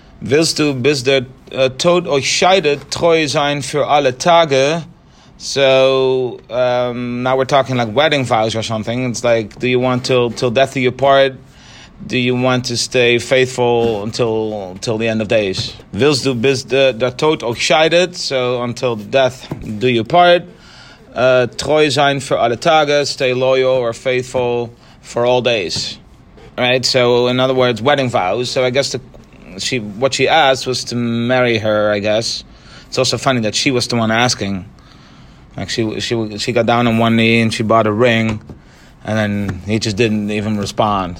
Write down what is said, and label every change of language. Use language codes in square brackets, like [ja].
[de] Willst du bis der Tod euch scheidet treu sein für alle Tage? [en] So now we're talking like wedding vows or something. It's like, do you want till death do you part? Do you want to stay faithful until the end of days? [de] Willst du bis der Tod euch scheidet? [en] So until death do you part? [de] Treu sein für alle Tage, [en] stay loyal or faithful for all days, right? So in other words, wedding vows. So I guess what she asked was to marry her, I guess. It's also funny that she was the one asking. Like she got down on one knee and she bought a ring, and then he just didn't even respond.